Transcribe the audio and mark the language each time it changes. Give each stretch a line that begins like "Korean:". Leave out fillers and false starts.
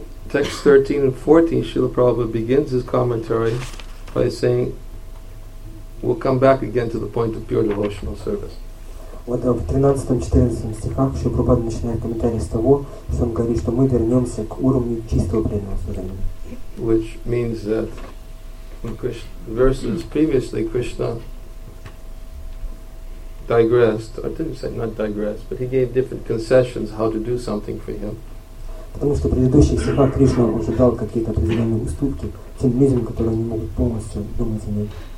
English: Text 13 and 14, Srila Prabhupada begins his commentary by saying, we'll come back again to the point of pure devotional service.
Russian: Вот в 13-14 стихах Шрила Прабхупада начинает комментарий с того, что он говорит, что мы вернемся к уровню чистого преданного служения.
English: Which means that in verses previously Krishna digressed, or didn't say not digressed, but he gave different concessions how to do something for him.
Russian: Потому что в предыдущих стихах Кришна уже дал какие-то определенные уступки тем людям, которые не могут полностью думать о ней.